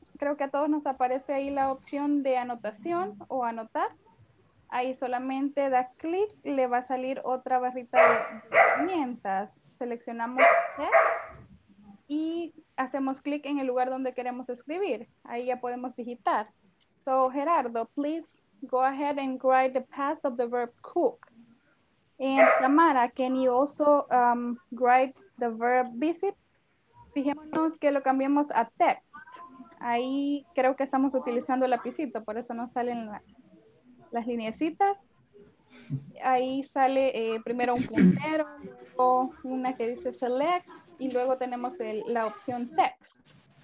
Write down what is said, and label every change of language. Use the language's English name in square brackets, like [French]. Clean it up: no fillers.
[Spanish] Creo que a todos nos aparece ahí la opción de anotación o anotar. Ahí solamente da clic, le va a salir otra barrita de herramientas. Seleccionamos text y hacemos clic en el lugar donde queremos escribir. Ahí ya podemos digitar. [English] So, Gerardo, please go ahead and write the past of the verb cook. And Tamara, can you also write the verb visit? [Spanish] Fijémonos que lo cambiemos a text. Ahí creo que estamos utilizando el lapicito, por eso no salen las lineecitas. Ahí sale primero un puntero, luego una que dice select, y luego tenemos la opción text.